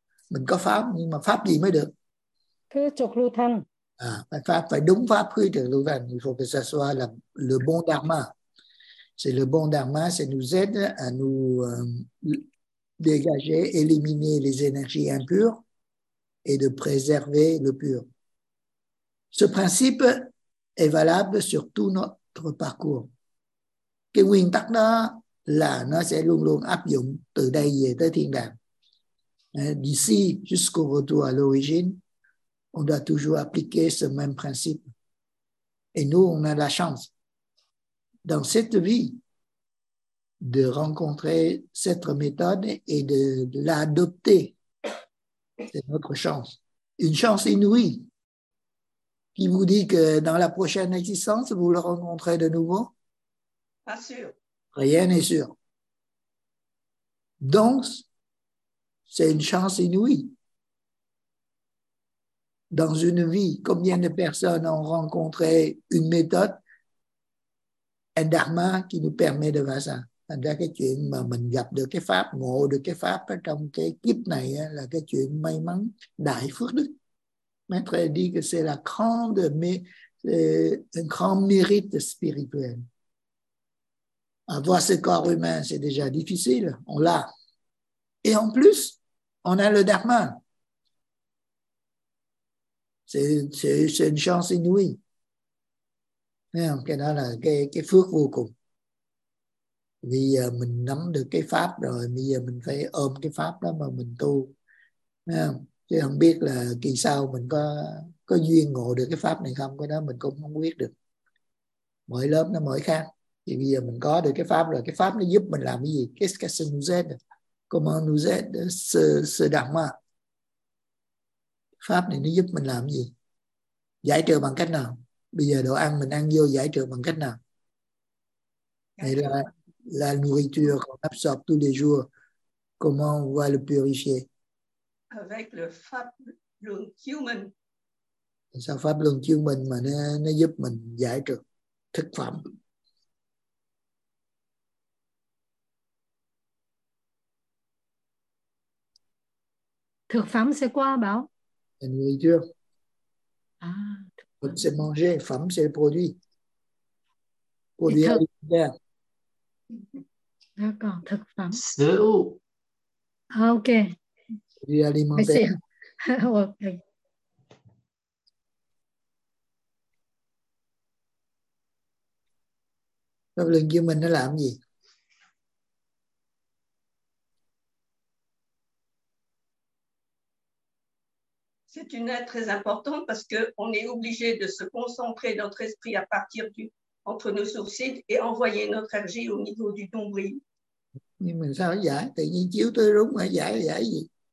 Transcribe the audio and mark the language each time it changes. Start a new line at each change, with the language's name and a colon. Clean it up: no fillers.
Vietnamese: Mình có pháp, nhưng mà pháp gì mới được? Cứ trục lưu thanh. Phải đúng pháp, cứ trục lưu thanh.
French: Il faut que ça soit le bon dharma. C'est le bon dharma, c'est nous aide à nous dégager, éliminer les énergies impures et de préserver le pur. Ce principe est valable sur tout notre parcours.
Vietnamese: Cái nguyên tắc đó là nó sẽ luôn luôn áp dụng từ đây về tới thiên đàng.
French: D'ici jusqu'au retour à l'origine, on doit toujours appliquer ce même principe. Et nous, on a la chance dans cette vie de rencontrer cette méthode et de l'adopter. C'est notre chance. Une chance inouïe. Il vous dit que dans la prochaine existence, vous le rencontrez de nouveau? Pas sûr. Rien n'est sûr. Donc, c'est une chance inouïe. Dans une vie, combien de personnes ont rencontré une méthode, un dharma qui nous permet de faire ça?
Vietnamese: Là, cái chuyện mà mình gặp được cái pháp, ngộ được cái pháp ở trong cái kiếp này là cái chuyện may mắn, đại phước đức.
French: Maître dit que c'est la grande, mais un grand mérite spirituel. Avoir ce corps humain, c'est déjà difficile, on l'a. Et en plus, on a le dharma. C'est une chance inouïe.
Vietnamese: Cái đó là cái phước vô cùng. Vì mình nắm được cái pháp rồi, bây giờ mình phải ôm cái pháp đó mà mình tu. Chứ không biết là kỳ sau mình có duyên ngộ được cái pháp này không, cái đó mình cũng không biết được. Mỗi lớp nó mỗi khác. Thì bây giờ mình có được cái pháp nó giúp mình làm cái gì?
French: Qu'est-ce que ça nous aide? Comment nous aide ce dharma?
Vietnamese: Pháp này nó giúp mình làm gì? Giải trừ bằng cách nào? Bây giờ đồ ăn mình ăn vô giải trừ bằng cách nào? Hay là
French: la nourriture qu'on absorbe tous les jours, comment on va le purifier? Avec le pháp luân chuyển. C'est ça,
Vietnamese: pháp luân chuyển mà nó giúp mình giải trừ thực phẩm.
French: Thực phẩm c'est quoi, Bảo? La nourriture. Ah. Donc, c'est manger, phẩm c'est le produit. Produit alimentaire. D'accord, thực phẩm. Ok. Produit alimentaire. Ok.
Vietnamese: Pháp luân chuyển mình nó làm gì?
French: C'est une aide très importante parce qu'on est obligé de se concentrer notre esprit à partir du entre nos sourcils et envoyer notre énergie au niveau du nombril.
Vietnamese: Nhưng mình sao giải? Tự nhiên chiếu tôi đúng mà giải là giải gì?